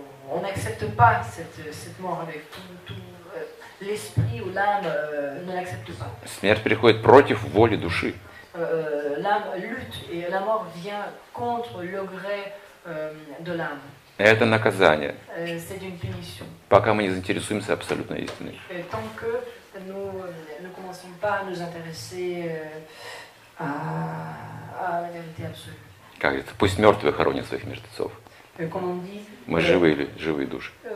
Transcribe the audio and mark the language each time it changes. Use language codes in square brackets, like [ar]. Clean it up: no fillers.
[fr] On n'accepte pas cette mort avec tout l'esprit ou l'âme ne l'accepte pas. [ru] Смерть приходит против воли души. [fr] L'âme lutte et la mort vient contre le gré de l'âme. [ru] Это наказание. [fr] C'est une punition. [ru] Пока мы не заинтересуемся абсолютной истиной. [fr] Tant que nous ne commençons pas à nous intéresser [ru] А, как это? Пусть мертвые хоронят своих мертвецов. Мы живые люди, живые души.